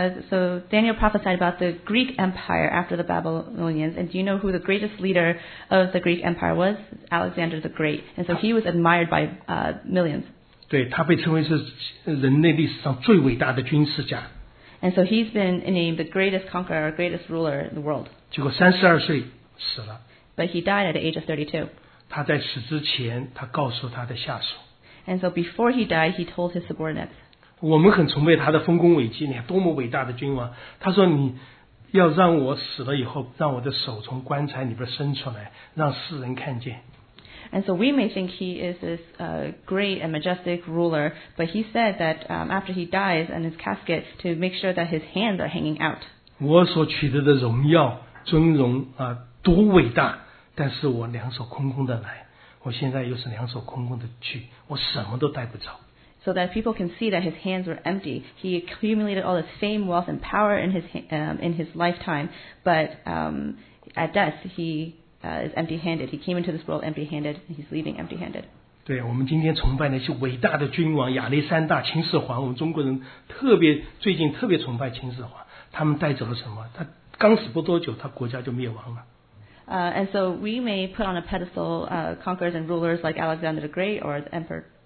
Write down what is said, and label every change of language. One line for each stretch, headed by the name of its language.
English: So Daniel prophesied about the Greek Empire after the Babylonians. And do you know who the greatest leader of the Greek Empire was? Alexander the Great. And so he was admired by millions.
Chinese: 对，他被称为是人类历史上最伟大的军事家。
English: And so he's been named the greatest conqueror, greatest ruler in the world.
Chinese: 结果32岁死了。
English: But he died at the age of 32.
Chinese: 他在死之前，他告诉他的下属。
English: And so before he died, he told his subordinates.
Chinese: 我们很崇拜他的丰功伟绩，你看多么伟大的君王！他说：“你要让我死了以后，让我的手从棺材里边伸出来，让世人看见。
English: And so we may think he is this great and majestic ruler, but he said that after he dies and his casket, to make sure that his hands are hanging out.
Chinese: 我所取得的荣耀、尊荣啊，多伟大！但是我两手空空的来，我现在又是两手空空的去，我什么都带不走。
English: So that people can see that his hands were empty. He accumulated all this fame, wealth, and power in his lifetime, but at death he is empty-handed. He came into this world empty-handed, and he's leaving empty-handed.
Chinese: 对，我们今天崇拜那些伟大的君王亚历山大、秦始皇。我们中国人特别最近特别崇拜秦始皇，他们带走了什么？他刚死不多久，他国家就灭亡了。
English: And so we may put on a pedestal conquerors and rulers like Alexander the Great or the Emperor.